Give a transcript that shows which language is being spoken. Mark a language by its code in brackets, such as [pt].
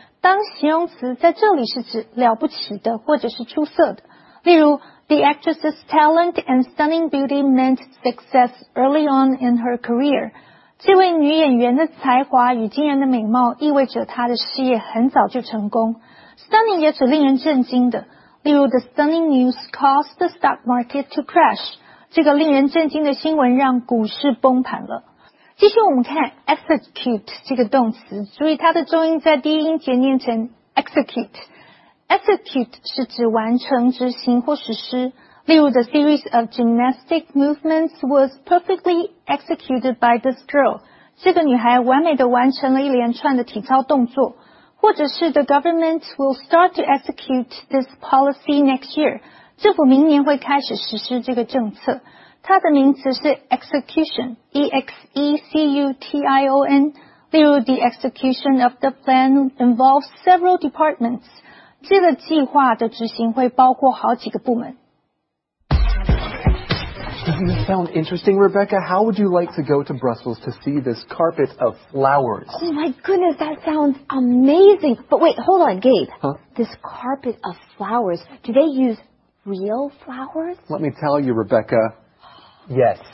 [zh] 当形容词在这里是指了不起的或者是出色的。例如 [en] ,the actress's talent and stunning beauty meant success early on in her career. [zh] 这位女演员的才华与惊人的美貌意味着她的事业很早就成功。 stunning 也指令人震惊的。例如 [en] ,the stunning news caused the stock market to crash. [zh] 这个令人震惊的新闻让股市崩盘了。继续我们看 execute 这个动词。注意它的重音在第一音节念成 execute。 execute 是指完成、执行或实施。例如 [en] ,the series of gymnastic movements was perfectly executed by this girl. [zh] 这个女孩完美地完成了一连串的体操动作。或者是 [en] the government will start to execute this policy next year. [zh] 政府明年会开始实施这个政策。它的名词是 execution, E-X-E-C-U-T-I-O-N. 例如 [en] the execution of the plan involves several departments. [zh] 这个计划的执行会包括好几个部门。 [en] Doesn't this sound interesting, Rebecca? How would you like to go to Brussels to see this carpet of flowers? Oh my goodness, that sounds amazing. But wait, hold on, Gabe. Huh? This carpet of flowers, do they use real flowers? Let me tell you, Rebecca. Yes.